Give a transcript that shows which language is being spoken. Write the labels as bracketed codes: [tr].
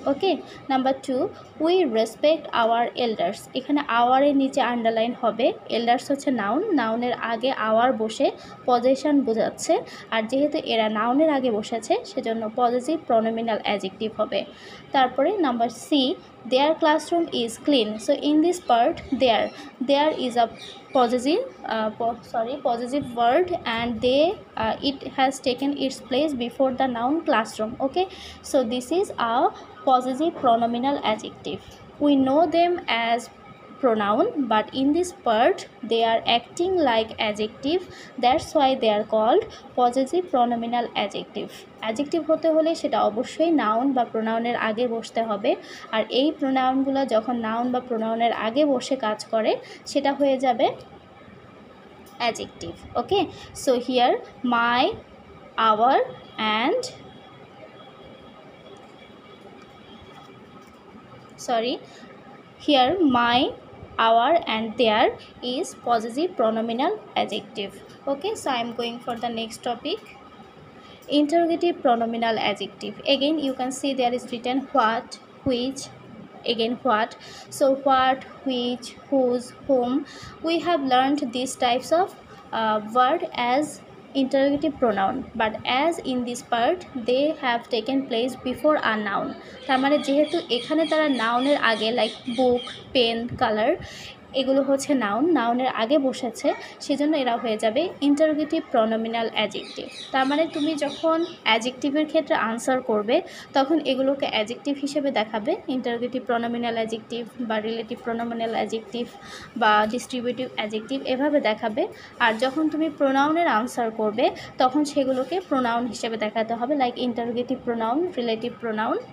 [en] Okay, number two, we respect our elders. [bn] এখানে আওয়ারের নিচে underline হবে, এল্ডার্স হচ্ছে নাউন, নাউনের আগে আওয়ার বসে পজিশন বোঝাচ্ছে, আর যেহেতু এরা নাউনের আগে বসেছে সেজন্য পজিটিভ প্রোনমিনাল অ্যাডজেক্টিভ হবে. তারপরে number C, [en] their classroom is clean. So in this part, there is a possessive word, and they it has taken its place before the noun classroom. Okay, so this is a possessive pronominal adjective. We know them as pronoun, but in this part they are acting like adjective. That's why they are called possessive pronominal adjective. [bn] Adjective হতে হলে সেটা অবশ্যই noun বা pronounের আগে বসতে হবে, আর এই pronounগুলো যখন noun বা pronounের আগে বসে কাজ করে সেটা হয়ে যাবে adjective. [en] Okay, so here my, our, and here my, our, and their is possessive pronominal adjective. Okay, so I am going for the next topic, interrogative pronominal adjective. Again, you can see there is written what, which, again what. So what, which, whose, whom. We have learned these types of word as interrogative pronoun, but as in this part they have taken place before a noun. [bn] তার মানে যেহেতু এখানে তারা নাউনের আগে like book, pen, color এগুলো হচ্ছে noun, নাউনের আগে বসেছে সেজন্য এরা হয়ে যাবে interrogative pronominal adjective. তার মানে তুমি যখন adjective-এর ক্ষেত্রে answer করবে তখন এগুলোকে adjective হিসেবে দেখাবে, interrogative pronominal adjective বা relative pronominal adjective বা distributive adjective এভাবে দেখাবে, আর যখন তুমি pronoun-এর answer করবে তখন সেগুলোকে pronoun হিসেবে দেখাতে হবে, like interrogative pronoun, relative pronoun.